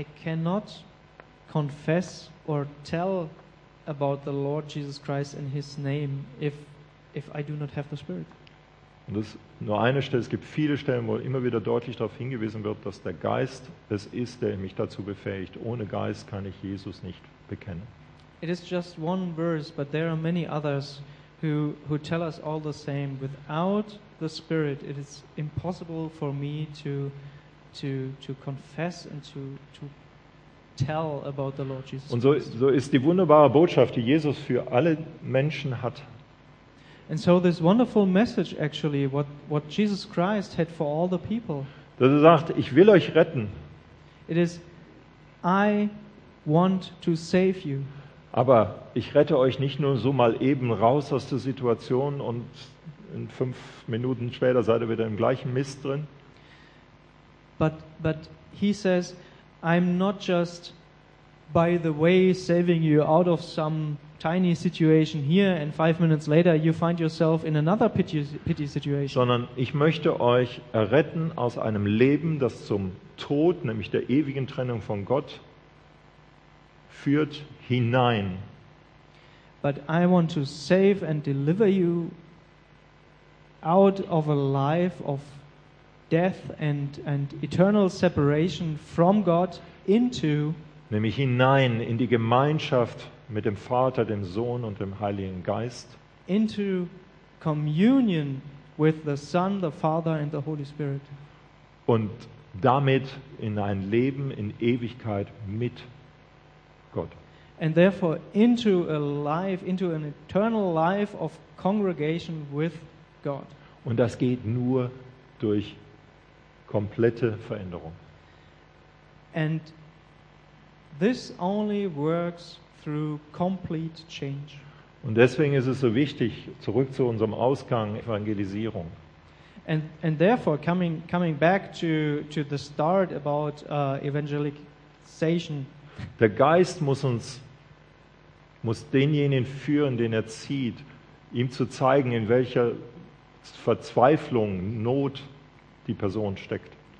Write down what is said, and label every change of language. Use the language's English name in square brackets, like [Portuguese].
[English] I cannot confess or tell about the Lord Jesus Christ in his name if I do not have the Spirit. [German] Und das ist nur eine Stelle, es gibt viele Stellen, wo immer wieder deutlich darauf hingewiesen wird, dass der Geist es ist, der mich dazu befähigt. Ohne Geist kann ich Jesus nicht bekennen. [English] It is just one verse, but there are many others who tell us all the same. Without the Spirit, it is impossible for me to confess and to tell about the Lord Jesus. [German] Und so ist die wunderbare Botschaft, die Jesus für alle Menschen hat. [English] And so this wonderful message actually, what Jesus Christ had for all the people. [German] Dass er sagt, ich will euch retten. [English] It is, I want to save you. [German] Aber ich rette euch nicht nur so mal eben raus aus der Situation und in 5 Minuten später seid ihr wieder im gleichen Mist drin. [English] But he says, I'm not just by the way saving you out of some tiny situation here and 5 minutes later you find yourself in another pity situation. [German] Sondern ich möchte euch erretten aus einem Leben, das zum Tod, nämlich der ewigen Trennung von Gott, führt hinein. [English] But I want to save and deliver you out of a life of death and eternal separation from God into, [German] nämlich hinein in die Gemeinschaft mit dem Vater, dem Sohn und dem Heiligen Geist, [English] into communion with the Son, the Father and the Holy Spirit, [German] und damit in ein Leben in Ewigkeit mit Gott, [English] and therefore into a life, into an eternal life of congregation with God. [German] Und das geht nur durch komplette Veränderung. [English] And this only works through complete change. [German] Und deswegen ist es so wichtig, zurück zu unserem Ausgang, Evangelisierung. [English] And therefore coming back to the start about evangelization. [German] Der Geist muss denjenigen führen, den er zieht, ihm zu zeigen, in welcher Verzweiflung, Not die Person steckt.